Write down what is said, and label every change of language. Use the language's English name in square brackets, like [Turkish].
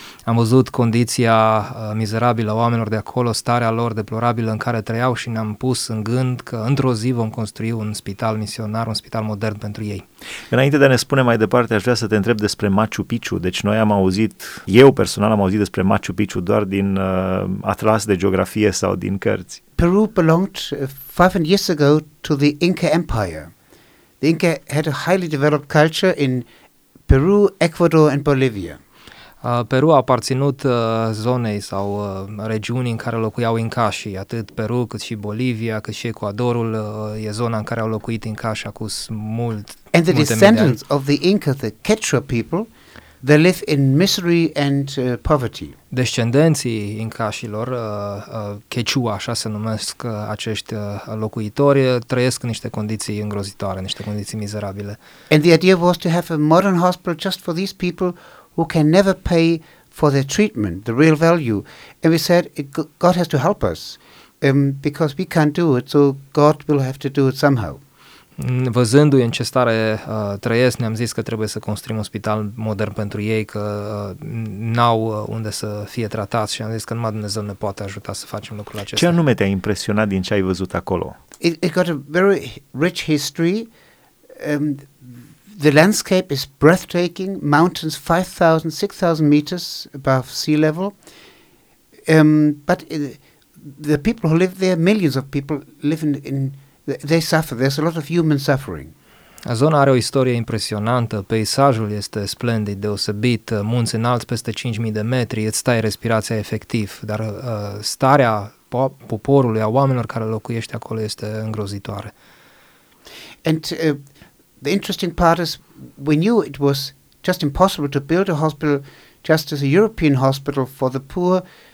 [Romanian] Am văzut condiția mizerabilă a oamenilor de acolo, starea lor deplorabilă în care trăiau și ne-am pus în gând că într-o zi vom construi un spital misionar, un spital modern pentru ei. Înainte de a ne spune mai departe, aș vrea să te întreb despre Machu Picchu. Deci noi am auzit, eu personal am auzit despre Machu Picchu doar din atlas de geografie sau din cărți. [English] Peru belonged 500 years ago to the Inca Empire. The Inca had a highly developed culture in Peru, Ecuador and Bolivia. [Romanian] Peru a aparținut zonei sau regiunii în care locuiau incașii, atât Peru cât și Bolivia, cât și Ecuadorul e zona în care au locuit incașii acus mult. [English] And the descendants of the Inca, the Quechua people, they live in misery and poverty. [Romanian] Descendenții incașilor, Quechua, așa se numesc acești locuitori, trăiesc în niște condiții îngrozitoare, niște condiții mizerabile. [English] And the idea was to have a modern hospital just for these people who can never pay for their treatment, the real value. And we said, God has to help us, because we can't do it, so God will have to do it somehow. [Romanian] Văzându-i în ce stare trăiesc, ne-am zis că trebuie să construim un spital modern pentru ei, că n-au unde să fie tratați și am zis că numai Dumnezeu ne poate ajuta să facem lucrul acesta. Ce anume te-a impresionat din ce ai văzut acolo? [English] It got a very rich history. The landscape is breathtaking, mountains 5,000, 6,000 meters above sea level. But the people who live there, millions of people live in, they suffer, there's a lot of human suffering. [Romanian] Zona are o istorie impresionantă, peisajul este splendid, deosebit, munți înalți peste 5,000 de metri, îți stai respirația efectiv, dar starea poporului, a oamenilor care locuiește acolo este îngrozitoare. [English] And the interesting part is we knew it was just impossible to build a hospital just as a European hospital for the poor.